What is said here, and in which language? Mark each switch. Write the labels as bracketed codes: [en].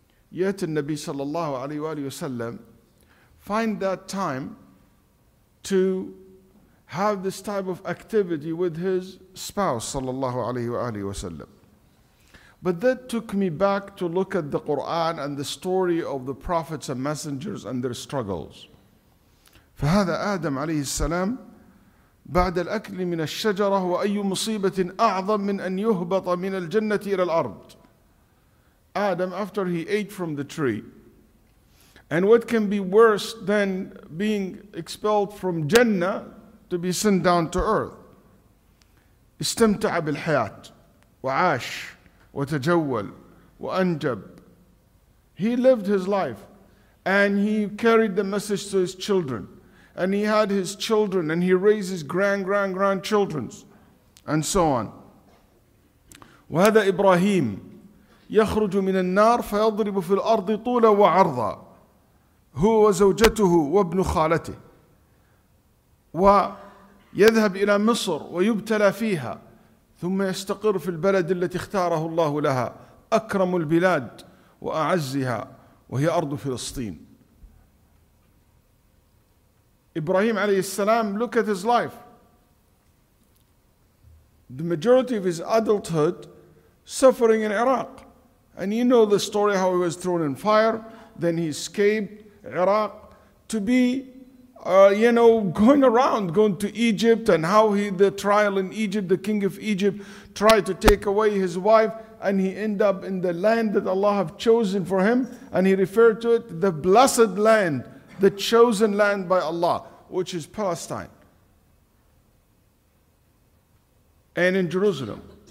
[en] Yet Nabi sallallahu alayhi wa sallam find that time to have this type of activity with his spouse sallallahu alayhi wa sallam. But that took me back to look at the Quran and the story of the prophets and messengers and their struggles. [ar] فهذا آدم عليه السلام بعد الأكل من الشجرة وأي مصيبة أعظم من أن يهبط من الجنة إلى الأرض. [en] Adam, after he ate from the tree, and what can be worse than being expelled from Jannah to be sent down to earth? [ar] استمتع بالحياة وعاش وتجول وأنجب. [en] He lived his life and he carried the message to his children. And he had his children, and he raised his grandchildren, and so on. [ar] وهذا إبراهيم يخرج من النار فيضرب في الأرض طولا وعرضا هو وزوجته وابن خالته ويذهب إلى مصر ويبتلى فيها ثم يستقر في البلد التي اختاره الله لها أكرم البلاد وأعزها وهي أرض فلسطين. [en] Ibrahim alayhi salam, look at his life. The majority of his adulthood suffering in Iraq. And you know the story how he was thrown in fire, then he escaped Iraq to be, going around, going to Egypt, and how the trial in Egypt, the king of Egypt tried to take away his wife, and he ended up in the land that Allah have chosen for him, and he referred to it the blessed land, the chosen land by Allah, which is Palestine and in Jerusalem.